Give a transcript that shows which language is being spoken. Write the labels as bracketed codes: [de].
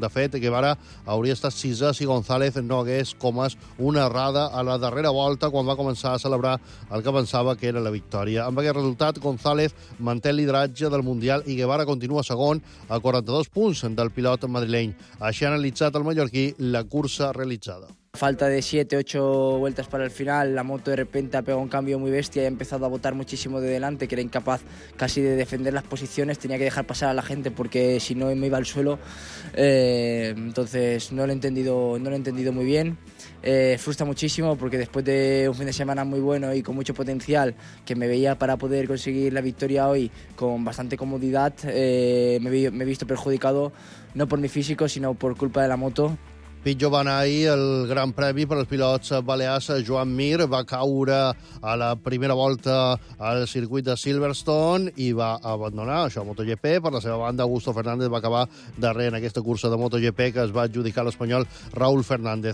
[ca] De fet, Guevara hauria estat sisè si González no hagués comès una errada a la darrera volta quan va començar a celebrar el que pensava que era la victòria. Amb aquest resultat, González manté el lideratge del Mundial i Guevara continua segon a 42 punts del pilot madrileny. Així ha analitzat el mallorquí la cursa realitzada. [es] Falta de 7-8 vueltas para el final, la moto de repente ha pegado un cambio muy bestia y ha empezado a botar muchísimo de delante, que era incapaz casi de defender las posiciones, tenía que dejar pasar a la gente porque si no me iba al suelo. Entonces no lo he entendido muy bien. Frustra muchísimo porque después de un fin de semana muy bueno y con mucho potencial, que me veía para poder conseguir la victoria hoy con bastante comodidad, me he visto perjudicado no por mi físico sino por culpa de la moto. [ca] Pitjor va anar ahir el Gran Premi per als pilots balears. Joan Mir va caure a la primera volta al circuit de Silverstone i va abandonar això a MotoGP. Per la seva banda, Augusto Fernández va acabar darrer en aquesta cursa de MotoGP que es va adjudicar l'espanyol Raúl Fernández.